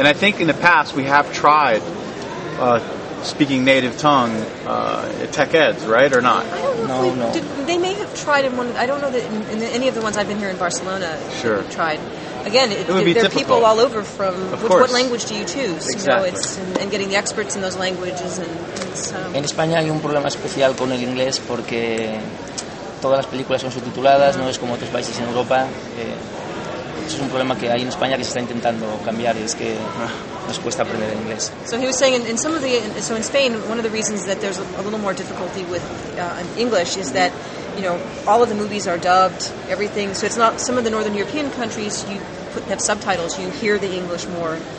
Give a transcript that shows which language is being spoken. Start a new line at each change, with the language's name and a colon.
English: And I think in the past we have tried speaking native tongue at Tech Eds, right, or not? I don't know. They may have tried in one. I don't know that in any of the ones I've been here in Barcelona. Sure. Tried. Again, it would be there difficult. Are people all over from... Of course. What language do you choose? Exactly. You know, it's, and getting the experts in those languages.
Spanish: En España hay un problema especial con el inglés porque todas las películas son subtituladas, mm-hmm. no es como otros países en Europa. Eso es un problema que hay en España que se está intentando cambiar y es que nos cuesta aprender el inglés.
English: So he was saying in some of the... So in Spain, one of the reasons that there's a little more difficulty with English is that... You know, all of the movies are dubbed, everything. So it's not, some of the northern European countries, you have subtitles, you hear the English more.